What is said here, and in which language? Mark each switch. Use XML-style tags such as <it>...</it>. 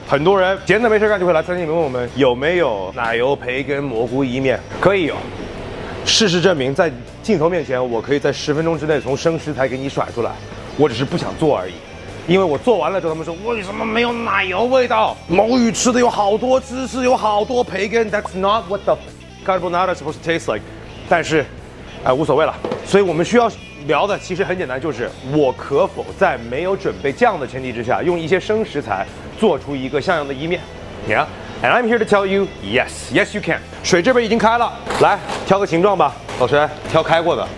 <zh>很多人闲着没事干就会来餐厅里面问我们有没有奶油培根蘑菇意面，可以有。事实证明，在镜头面前，我可以在十分钟之内从生食材给你甩出来，我只是不想做而已。因为我做完了之后，他们说为什么没有奶油味道？毛宇吃的有好多芝士，有好多培根</zh> <en>，That's not what the carbonara is supposed to taste like。</en> <zh>但是，无所谓了。所以我们需要聊的其实很简单，就是我可否在没有准备酱的前提之下，用一些生食材做出一个像样的意面 ？</zh> <en>Yeah，and I'm here to tell you yes, yes you can。</en> <zh>水这边已经开了，来挑个形状吧，老师挑开过的。</zh>